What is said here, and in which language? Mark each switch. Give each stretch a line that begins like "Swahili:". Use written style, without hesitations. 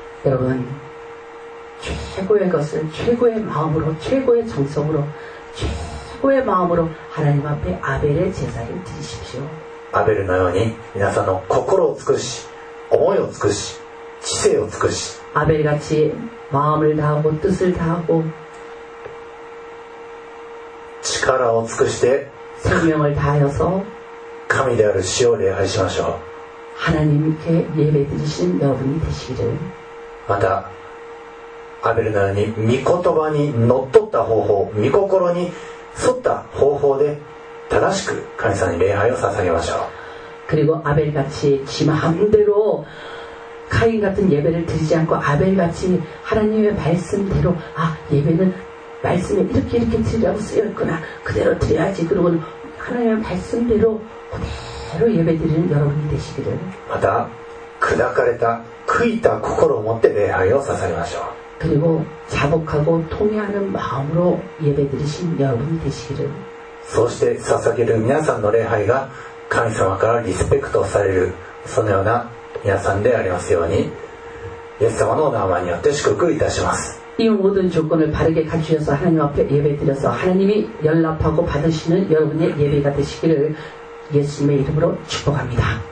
Korean: 여러분최고의것을최고의마음으로최고의정성으로최고의마음으로하나님앞에아벨의제사를드리십시오
Japanese: 아벨のように皆さんの心を尽くし思いを尽くし知性を尽くし
Korean: 아벨같이마음을다하고뜻을다하고
Japanese: 力を尽くして
Korean: 생명을다하여서
Japanese: 神である主を礼拝しましょう
Korean: 하나님께예배드리신여분이되시기를
Japanese: またアベルのように御言葉にのっとった方法御心に沿った方法で正しく神様に礼拝を捧げましょう
Korean: 그리고아벨같이지마음대로카인같은예배를드리지않고아벨같이하나님의말씀대로아예배는말씀에이렇게이렇게드리라고쓰여있구나그대로드려야지그러고는하나님의말씀대로그대로예배드리는여러분이되시기를
Japanese: また砕かれた悔いた心を持って礼拝を捧げましょう
Korean: 그리고자복하고통회하는마음으로예배드리신여러분이되시기를
Japanese: そして捧げる皆さんの礼拝が神様からリスペクトされるそのような皆さんでありますようにイエス様のお名前によって祝福いたします。
Korean: 이모든조건을바르게갖추셔서하나님앞에예배드려서하나님이열납하고받으시는여러분의예배가되시기를예수님의이름으로축복합니다